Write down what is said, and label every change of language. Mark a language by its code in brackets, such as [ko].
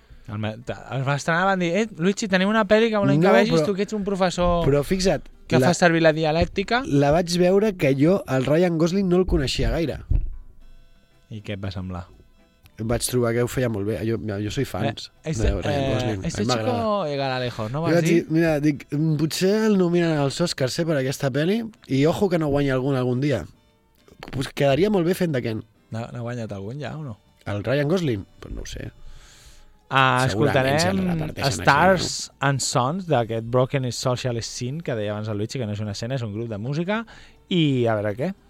[ca] Es va estrenar, van dir, Luigi, tenim una pel·li que volem que vegis, tu que ets un professor... Però fixa't... Que fa servir la dialèctica. La vaig veure que jo, el Ryan Gosling, no el coneixia gaire. I què et va semblar? Vaig trobar que ho feia molt bé. Jo soy fans de Ryan Gosling. [es] Este chico llegará lejos, [ca] no vas dir? Mira, dic, potser el nominen als Oscars, per aquesta pel·li, i ojo que no guanya algun dia. Pues quedaria molt bé fent de Ken. N'ha guanyat algun ja o no? El Ryan Gosling? Pues no ho sé. Escoltarem Stars and Sons, d'aquest Broken Social Scene, que deia abans el Luigi, que no és una escena, és un grup de música, i a veure què.